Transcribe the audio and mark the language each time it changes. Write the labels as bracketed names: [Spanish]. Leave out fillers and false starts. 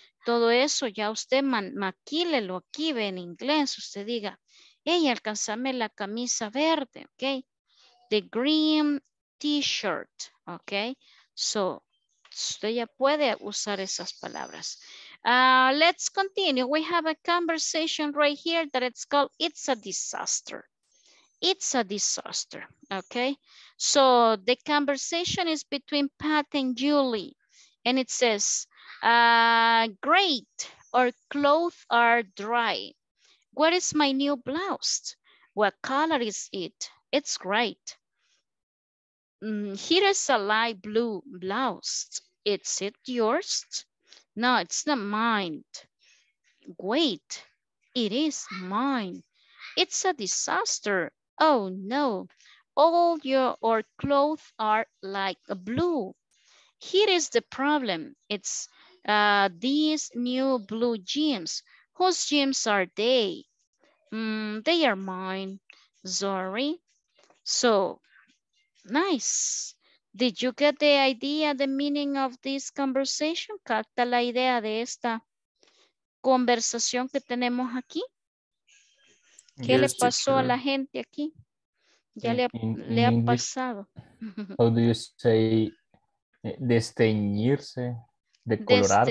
[Spanish] todo eso, ya usted maquílelo aquí, ve en inglés, usted diga, hey, alcánzame la camisa verde, ok, [English] the green t-shirt, [Spanish] ok, so, usted ya puede usar esas palabras. [English] Let's continue, we have a conversation right here that it's called, it's a disaster. It's a disaster, okay? So the conversation is between Pat and Julie, and it says, great, our clothes are dry. What is my new blouse? What color is it? It's great. Here is a light blue blouse. Is it yours? No, it's not mine. Wait, it is mine. It's a disaster. Oh no, all your clothes are like blue. Here is the problem. It's these new blue jeans. Whose jeans are they? They are mine, sorry. So, nice. Did you get the idea, the meaning of this conversation? [Spanish] ¿Capta la idea de esta conversación que tenemos aquí? ¿Qué le pasó a la gente aquí? Ya le ha pasado. [English] How do you say [Spanish] desteñirse, decolorarse?